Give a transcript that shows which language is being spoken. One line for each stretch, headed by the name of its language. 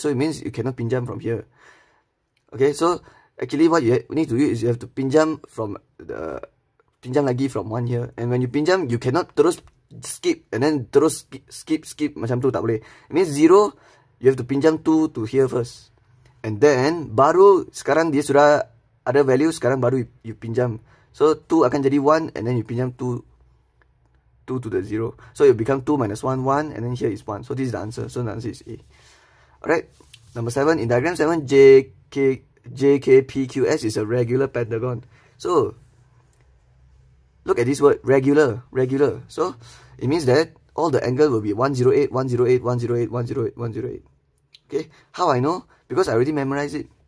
English: So it means you cannot pinjam from here. Okay, so actually what you need to do is you have to pinjam from the
Malay: pinjam lagi
English: from 1 here. And when you pinjam, you cannot terus skip and then terus skip
Malay: macam tu, tak boleh.
English: It means 0, you have to pinjam 2 to here first.
Malay: And then baru sekarang dia sudah ada value, sekarang baru you pinjam. So 2 akan jadi 1
English: and then you pinjam 2 2 to the 0. So it'll become 2 minus 1, 1, and then here is 1. So this is the answer. So the answer is A. Alright, number 7, in diagram 7, JKPQS is a regular pentagon. So, look at this word, regular. So, it means that all the angles will be 108, 108, 108, 108, 108. Okay, how I know? Because I already memorized it.